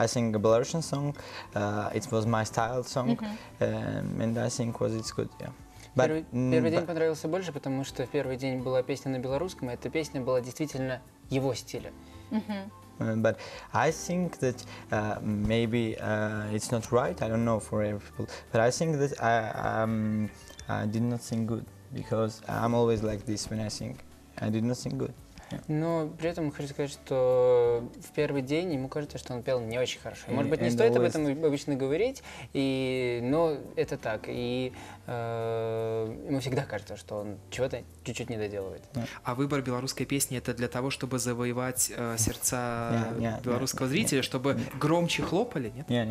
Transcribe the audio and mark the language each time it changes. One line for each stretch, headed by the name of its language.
English: I sing a Belarusian song, it was my style song, and I think was it's good, yeah.
Russian: Первый день понравился больше, потому что в первый день была песня на белорусском, и эта песня была действительно его стиля.
English: But I think that maybe it's not right, I don't know for every people, but I think that I did not sing good, because I'm always like this when I sing. I did not sing good.
Russian: Но при этом хочу сказать, что в первый день ему кажется, что он пел не очень хорошо. Может быть, не стоит об этом обычно говорить, но это так. И ему всегда кажется, что он чего-то чуть-чуть не доделывает. А выбор белорусской песни — это для того, чтобы завоевать сердца белорусского зрителя, чтобы громче хлопали, нет?